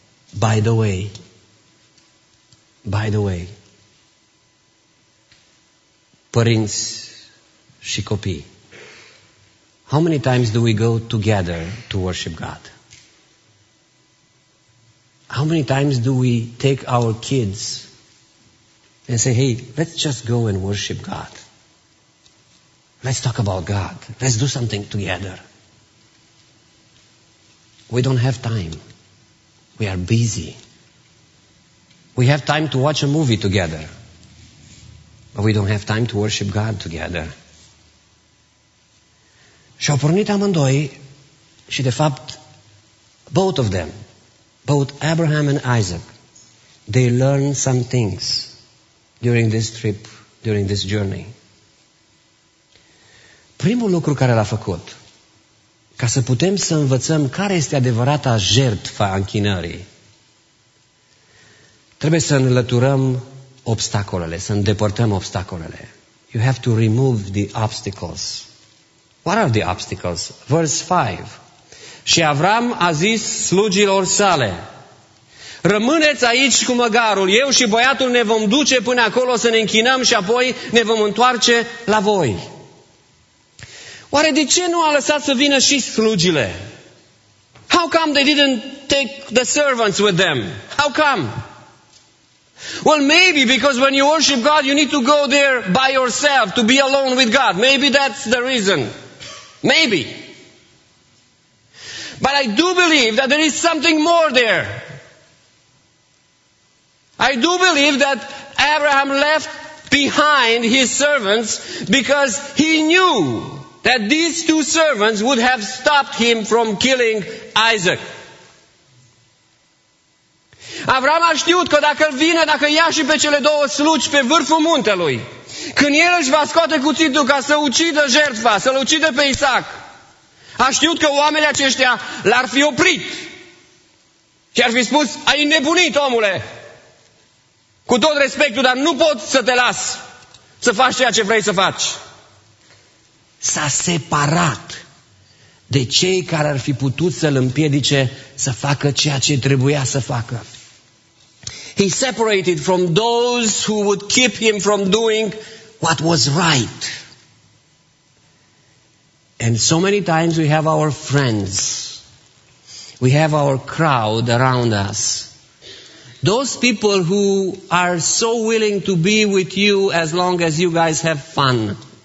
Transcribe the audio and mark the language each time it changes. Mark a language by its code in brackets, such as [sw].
[en] By the way, [ro] părinți și copii, [en] how many times do we go together to worship God? How many times do we take our kids and say, hey, let's just go and worship God. Let's talk about God. Let's do something together. We don't have time. We are busy. We have time to watch a movie together. But we don't have time to worship God together. [ro] Și au pornit amândoi și de fapt, [en] both of them, both Abraham and Isaac, they learned some things during this trip, during this journey. [ro] Primul lucru care l-a făcut, ca să putem să învățăm care este adevărata jertfa închinării, trebuie să înlăturăm obstacolele, să îndepărtăm obstacolele. [en] You have to remove the obstacles. What are the obstacles? Verse 5. [ro] Și Avram a zis slugilor sale, rămâneți aici cu măgarul, eu și băiatul ne vom duce până acolo să ne închinăm și apoi ne vom întoarce la voi. Oare de ce nu a lăsat să vină și slugile? [en] How come they didn't take the servants with them? How come? Well, maybe because when you worship God, you need to go there by yourself, to be alone with God. Maybe that's the reason. Maybe. But I do believe that there is something more there. I do believe that Abraham left behind his servants because he knew that these two servants would have stopped him from killing Isaac. [ro] Avram a știut că dacă îl vine, dacă ia și pe cele două sluci pe vârful muntelui, când el își va scoate cuțitul ca să ucidă jertfa, să-l ucidă pe Isaac, a știut că oamenii aceștia l-ar fi oprit și ar fi spus, ai înnebunit, omule, cu tot respectul, dar nu pot să te las să faci ceea ce vrei să faci. S-a separat de cei care ar fi putut să-l împiedice să facă ceea ce trebuia să facă. [en] He separated from those who would keep him from doing what was right. And so many times we have our friends. We have our crowd around us. Those people who are so willing to be with you as long as you guys have fun.